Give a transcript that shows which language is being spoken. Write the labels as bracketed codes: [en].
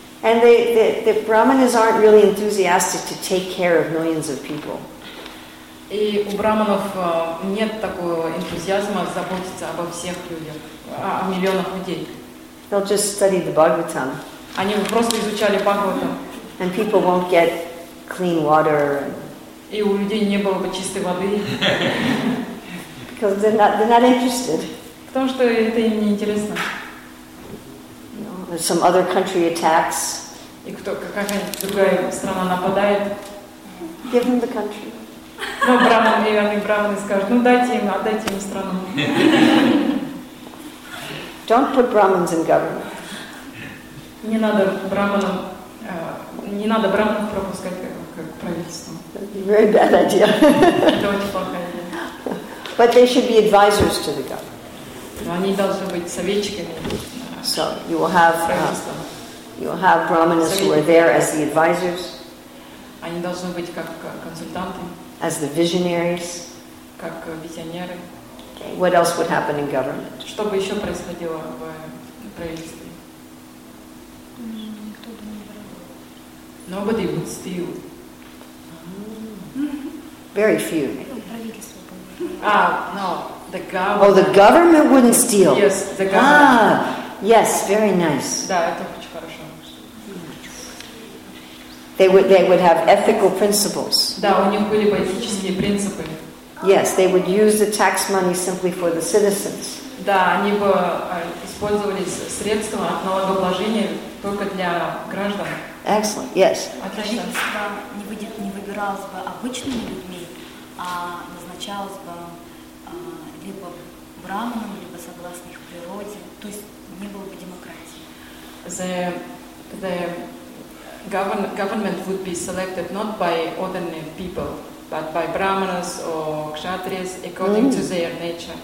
[en] And the brahmanas aren't really enthusiastic to take care of millions of people. [ru] И у брахманов нет такого энтузиазма заботиться обо всех людях, о миллионах людей. [en] They'll just study the Bhagavatam. [ru] Они просто изучали Бхагаватам. [en] And people won't get clean water. [ru] И у людей не было бы чистой воды. [en] Because they're not interested. [ru] Потому что это им не интересно. [en] Some other country attacks. [ru] И кто, какая-нибудь другая страна нападает? [en] Give them the country. [ru] Ну, брахманы скажут, ну, дайте им, отдайте им страну. [en] Don't put brahmins in government. [ru] Не надо брахманов пропускать как правительство. [en] Very bad idea. [ru] Это очень плохая идея. [en] But they should be advisors to the government. [ru] Но они должны быть советчиками. [en] So you will have brahmanas who are there as the advisors. [ru] Они должны быть как консультанты. [en] as the visionaries? [ru] Как визионеры. [en] What else would happen in government? [ru] Что бы еще происходило в правительстве? Никто бы не брал. [en] Nobody would steal. Very few. No, the government. Oh, the government wouldn't steal. Yes, the government. Ah, yes, very nice. [ru] Да, это очень хорошо. [en] They would have ethical principles. [ru] Да, у них были бы этические принципы. [en] Yes, they would use the tax money simply for the citizens. [ru] Да, они бы использовали средства от налогообложения только для граждан. [en] Excellent. Yes. [ru] Правительство не выбиралось бы обычными людьми, а назначалось бы либо браманом, либо согласно их природе. То есть не было бы демократии. [en] The government would be selected not by ordinary people, but by brahmanas or kshatriyas according to their nature.